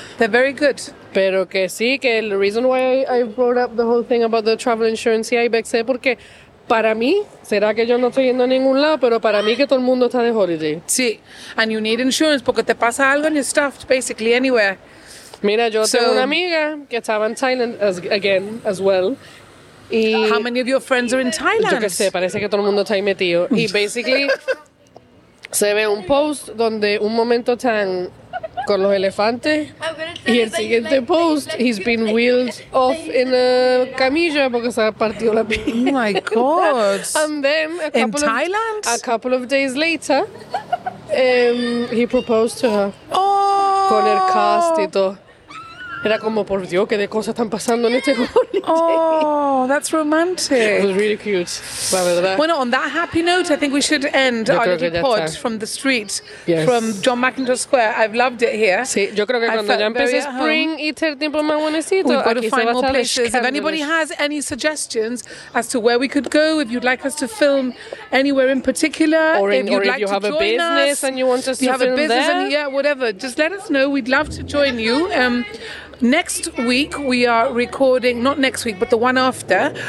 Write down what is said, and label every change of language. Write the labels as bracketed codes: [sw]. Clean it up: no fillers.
[en] They're very good. [es] Pero que sí, que [en] the reason why I brought up the whole thing about the travel insurance [es] y Ibex es porque para mí, será que yo no estoy yendo a ningún lado, pero para mí que todo el mundo está de holiday. [en] Sí, and you need insurance [es] porque te pasa algo [en] and you're stuffed basically anywhere. [es] Mira, yo tengo una amiga que estaba en Thailand [en] as well. Y how many of your friends are in Thailand? [es] Yo que sé, parece que todo el mundo está ahí metido. Y basically... Se ve un post donde un momento están con los elefantes y el siguiente post, [en] he's been wheeled off [es] in a camilla porque se ha partido la pierna. [en] Oh my God. And then, a couple of days later, he proposed to her. Oh. [es] Con el cast y todo. Era como, por Dios, qué de cosas están pasando en este holiday. [en] Oh, that's romantic. It was really cute, [es] la verdad. Bueno, [en] on that happy note, I think we should end our little pod from the street, from John McIntosh Square. I've loved it here. [es] Sí, yo creo que cuando ya empecé spring y el tiempo más bonecito, [en] we've got to find more places. If anybody has any suggestions as to where we could go, if you'd like us to film anywhere in particular, if you have a business, just let us know. We'd love to join you. Next week, we are recording, not next week, but the one after.